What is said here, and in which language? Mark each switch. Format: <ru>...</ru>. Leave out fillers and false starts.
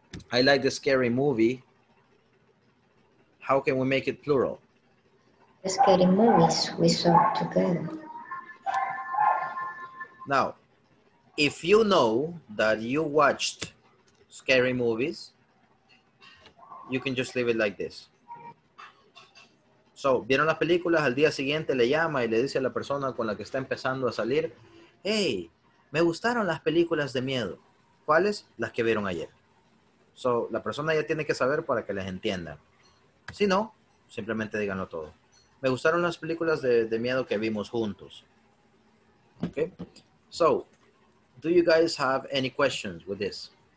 <en>I like the scary movie. How can we make it plural? The scary movies we saw together. Now, if you know that you watched scary movies, you can just leave it like this.</en> <es>So, vieron las películas, al día siguiente le llama y le dice a la persona con la que está empezando a salir, hey, me gustaron las películas de miedo. ¿Cuáles? Las que vieron ayer. So, la persona ya tiene que saber para que les entienda. Si no, simplemente díganlo todo. Me gustaron las películas de miedo que vimos juntos.</es> <en>Okay. So, do you guys have any questions with this?</en>